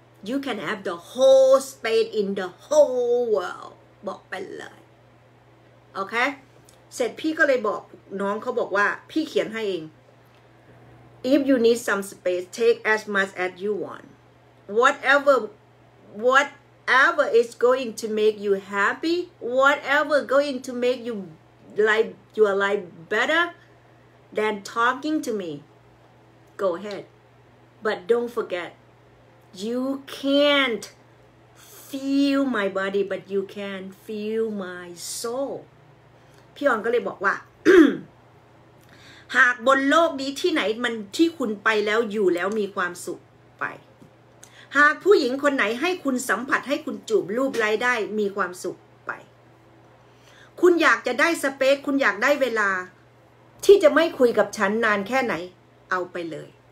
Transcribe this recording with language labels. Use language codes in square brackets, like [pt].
[en] You can have the whole space in the whole world [th] บอกไปเลยโอเคเสร็จพี่ก็เลยบอกน้องเขาบอกว่าพี่เขียนให้เอง [en] If you need some space take as much as you wantWhatever is going to make you happy, whatever going to make you life your life better than talking to me, go ahead. But don't forget, you can't feel my body, but you can feel my soul. [th] พี่อ่อนก็เลยบอกว่า หากบนโลกนี้ที่ไหนมันที่คุณไปแล้วอยู่แล้วมีความสุขไปหากผู้หญิงคนไหนให้คุณสัมผัสให้คุณจูบรูปไล่ได้มีความสุขไปคุณอยากจะได้สเปซคุณอยากได้เวลาที่จะไม่คุยกับฉันนานแค่ไหนเอาไปเลย